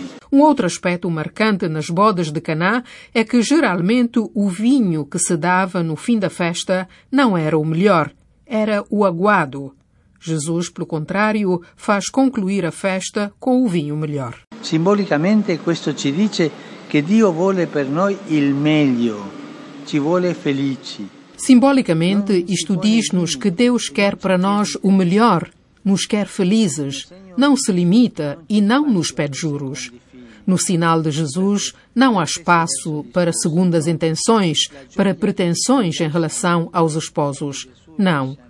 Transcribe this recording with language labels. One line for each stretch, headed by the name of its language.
Portuguese: Um outro aspecto marcante nas bodas de Caná é que geralmente o vinho que se dava no fim da festa não era o melhor, era o aguado. Jesus, pelo contrário, faz concluir a festa com o vinho melhor. Simbolicamente, isto nos diz que Deus
Italian: vuole per noi il meglio, ci vuole felici.
Portuguese: Simbolicamente, isto diz-nos que Deus quer para nós o melhor, nos quer felizes, não se limita e não nos pede juros. No sinal de Jesus, não há espaço para segundas intenções, para pretensões em relação aos esposos. Não.